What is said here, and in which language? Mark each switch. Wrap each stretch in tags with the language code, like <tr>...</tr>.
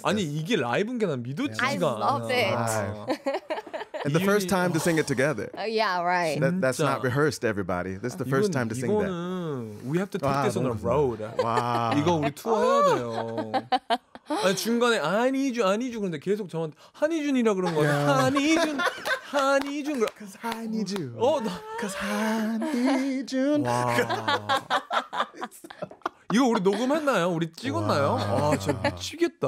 <ko>아니 이게 라이브인 게 난 믿어지지가 않아.</ko> <en>I love it. And the first time to sing it together. Yeah, right. That's not rehearsed, everybody. This is the first time to sing that. We have to take this on the road. Wow.</en> <ko>이거 우리 투어해야 돼요. 아니, 중간에 한이준, 한이준 그런데 계속 저한테 한이준이라 그런 거야. 한이준, 한이준.</ko> <en>Cause 한이준. Cause 한이준.</en> <ko>와. 이거 우리 녹음했나요? 우리 찍었나요? 와, 진짜 미치겠다.</ko>